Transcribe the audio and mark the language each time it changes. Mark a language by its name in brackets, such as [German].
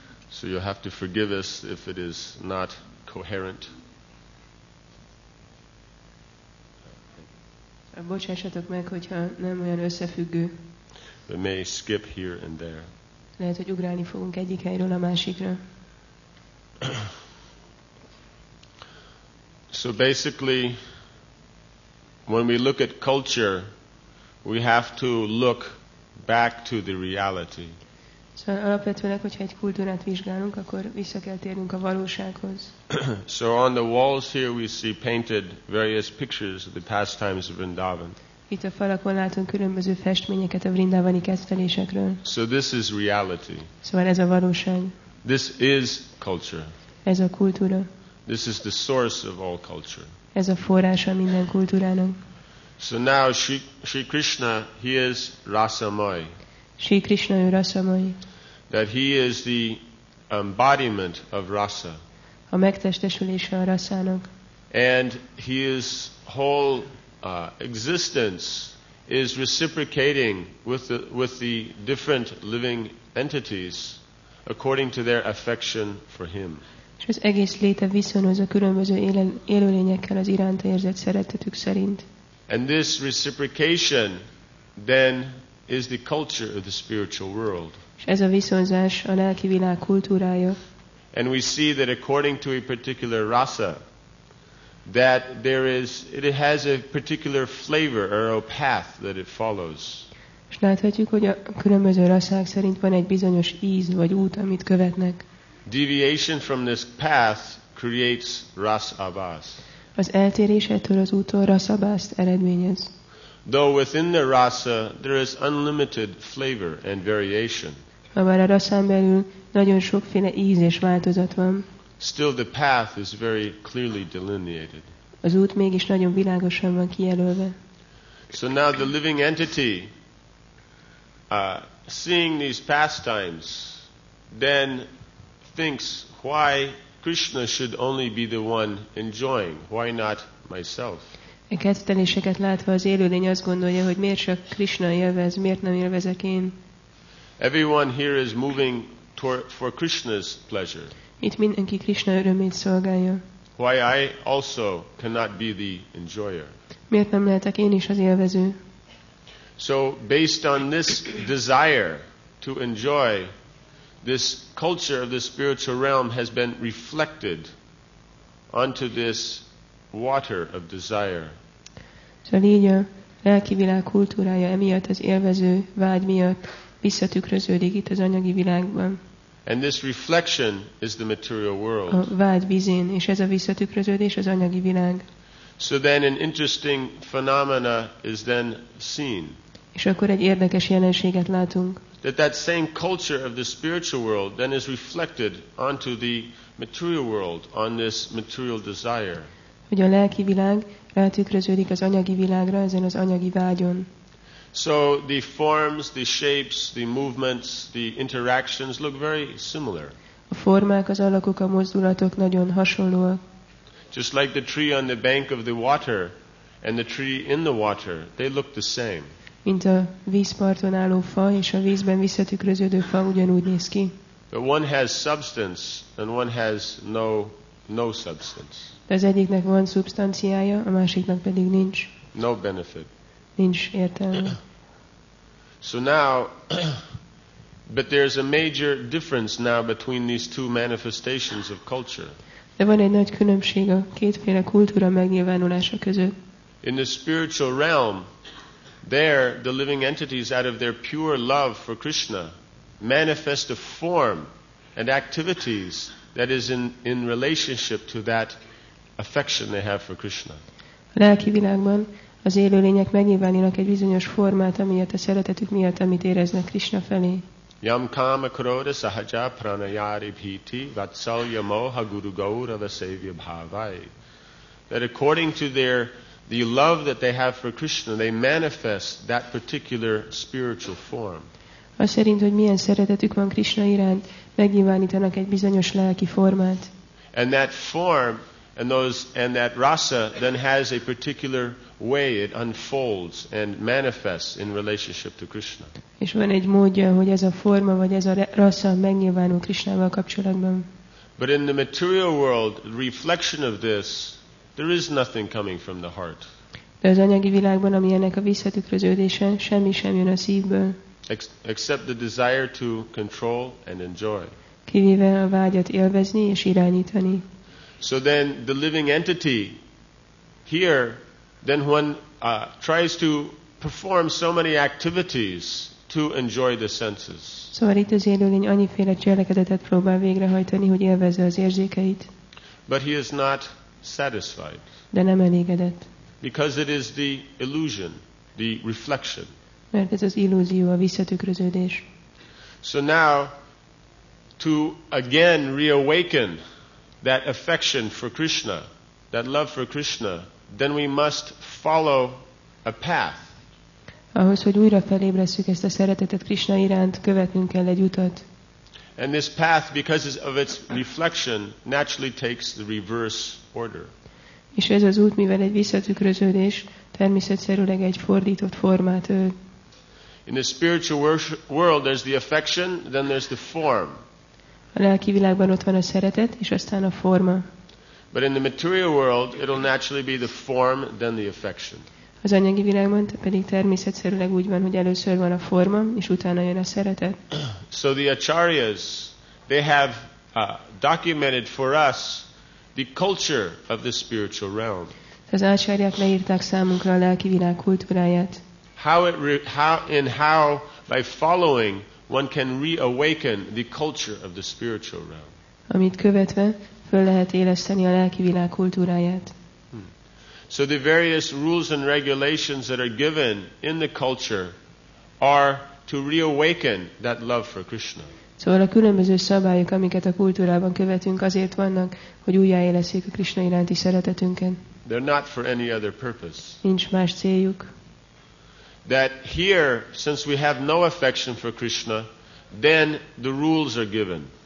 [English] So you'll have to forgive us if it is not coherent. [Hungarian] Bocsássatok meg, hogyha nem olyan összefüggő. [English] We may skip here and there. [Hungarian] Lehet, hogy ugrálni fogunk egyik helyről a másikra. [English] So basically, when we look at culture, we have to look back to the reality. [Hungarian] So alapvetően, hogyha egy kultúrát vizsgálunk, akkor vissza kell térnünk a valósághoz. [English] So on the walls here we see painted various pictures of the pastimes of Vrindavan. [Hungarian] Itt a falakon látunk különböző festményeket a vrindavani kedvelésekről. [English] So this is reality. [Hungarian] Szóval ez a valóság. [English] This is culture. [Hungarian] Ez a kultúra. [English] This is the source of all culture. [Hungarian] Ez a forrása minden kultúrának. [English] So now Sri Krishna, he is rasamai. [Hungarian] Sri Krishna ő rasamai. [English] That he is the embodiment of rasa. [Hungarian] A megtestesülése a rasának. [English] And he is whole. Existence is reciprocating with the different living entities according to their affection for him. [Hungarian] És az egész léte viszonyul a különböző élőlényekkel az iránta érzett szeretetük szerint. [English] And this reciprocation then is the culture of the spiritual world. [Hungarian] És ez a viszonzás a lelki világ kultúrája. [English] And we see that according to a particular rasa, that there is, it has a particular flavor or a path that it follows. [Hungarian] És láthatjuk, hogy a különböző rasszák szerint van egy bizonyos íz vagy út, amit követnek. [English] Deviation from this path creates ras abhas. [Hungarian] Az eltérés ettől az úttól rasabhast eredményez. [English] Though within the rasa there is unlimited flavor and variation. [Hungarian] Habár a rasszán belül nagyon sokféle íz és változat van. [English] Still the path is very clearly delineated. [Hungarian] Az út mégis nagyon világosan van kijelölve. [English] So now the living entity, seeing these pastimes, then thinks, why Krishna should only be the one enjoying? Why not myself? [Hungarian] A kedveléseket látva az élőlény azt gondolja, hogy miért csak Krishna élvez, miért nem élvezek én? [English] Everyone here is moving for Krishna's pleasure. [Hungarian] Itt mindenki Krishna örömét szolgálja. [English] Why I also cannot be the enjoyer? [Hungarian] Miért nem lehetek én is az élvező? [English] So based on this desire to enjoy, this culture of the spiritual realm has been reflected onto this water of desire. [Hungarian] Szóval így a lelki világ kultúrája emiatt az élvező vágy miatt visszatükröződik itt az anyagi világban. [English] And this reflection is the material world. [Hungarian] A vágy vízén, és ez a visszatükröződés az anyagi világ. [English] So then an interesting phenomena is then seen. [Hungarian] És akkor egy érdekes jelenséget látunk. [English] That same culture of the spiritual world then is reflected onto the material world, on this material desire. [Hungarian] Hogy a lelki világ rátükröződik az anyagi világra, ezen az anyagi vágyon. [English] So the forms, the shapes, the movements, the interactions look very similar. [Hungarian] A formák, az alakok, a mozdulatok nagyon hasonlóak. [English] Just like the tree on the bank of the water and the tree in the water, they look the same. [Hungarian] Mint a vízparton álló fa és a vízben visszatükröződő fa ugyanúgy néz ki. [English] But one has substance and one has no substance. [Hungarian] De az egyiknek van szubstanciája, a másiknak pedig nincs. [English] No benefit. [Hungarian] Nincs értelme. [English] So now, but there's a major difference now between these two manifestations of culture. [Hungarian] De van egy nagy különbség a kétféle kultúra megnyilvánulása között. [English] In the spiritual realm, there the living entities, out of their pure love for Krishna, manifest a form and activities that is in relationship to that affection they have for Krishna. [Hungarian] A lelki világban az élőlények megnyilvánulnak egy bizonyos formát, amiatt a szeretetük miatt, amit éreznek Krishna felé. [Sanskrit] Yam kama krodha sahaja pranayari bhiti vatsalya moha guru gaura vasevya bhavai. [English] That according to the love that they have for Krishna, they manifest that particular spiritual form. [Hungarian] Az szerint, hogy milyen szeretetük van Krishna iránt, megnyilvánítanak egy bizonyos lelki formát. [English] And that form and that rasa then has a particular way it unfolds and manifests in relationship to Krishna. [Hungarian] És van egy módja, hogy ez a forma vagy ez a rasa megnyilvánul Krishnával kapcsolatban. [English] But in the material world, the reflection of this, there is nothing coming from the heart. [Hungarian] De az anyagi világban, ami ennek a visszatükröződése, semmi sem jön a szívből. [English] Except the desire to control and enjoy. [Hungarian] Kivéve a vágyat élvezni és irányítani. [English] So then the living entity here, then one tries to perform so many activities to enjoy the senses. [Hungarian] Szóval itt az élőlény annyiféle cselekedetet próbál végrehajtani, hogy élvezze az érzékeit. [English] But he is not satisfied. [Hungarian] De nem elégedett. [English] Because it is the illusion, the reflection. [Hungarian] Mert ez az illúzió, a visszatükröződés. [English] So now, to again reawaken that affection for Krishna, that love for Krishna, then we must follow a path. [Hungarian] Ahhoz, hogy újra felébresszük ezt a szeretetet Krishna iránt, követnünk kell egy utat. [English] And this path, because of its reflection, naturally takes the reverse order. [Hungarian] És ez az út, mivel egy visszatükröződés, természetszerűleg egy fordított formát ölt. [English] In the spiritual world, there's the affection, then there's the form. [Hungarian] A lelki világban ott van a szeretet, és aztán a forma. [English] But in the material world, it'll naturally be the form, then the affection. [Hungarian] Az anyagi világban pedig természetszerűleg úgy van, hogy először van a forma, és utána jön a szeretet. [English] So the acharyas, they have documented for us the culture of the spiritual realm. [Hungarian] Az acharyák leírták számunkra a lelki világ kultúráját. [English] How by following one can reawaken the culture of the spiritual realm. [Hungarian] Amit követve föl lehet éleszteni a lelki világ kultúráját. [English] So the various rules and regulations that are given in the culture are to reawaken that love for Krishna. [Hungarian] Szóval a különböző szabályok, amiket a kultúrában követünk, azért vannak, hogy újjáélesszék a Krishna iránti szeretetünket. [English] They're not for any other purpose. [Hungarian] Nincs más céljuk. [English] That here, since we have no affection for Krishna, then the rules are given.